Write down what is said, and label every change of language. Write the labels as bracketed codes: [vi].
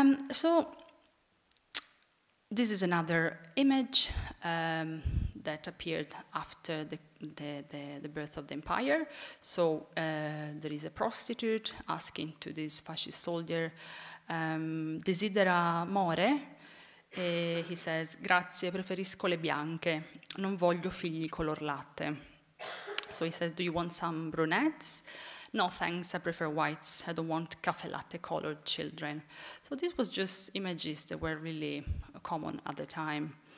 [en] So this is another image that appeared after the birth of the empire. So there is a prostitute asking to this fascist soldier, [it] desidera more? E [en] he says, [it] grazie, preferisco le bianche, non voglio figli color latte. [en] So he says, do you want some brunettes? No, thanks, I prefer whites. I don't want cafe latte colored children. So this was just images that were really common at the time.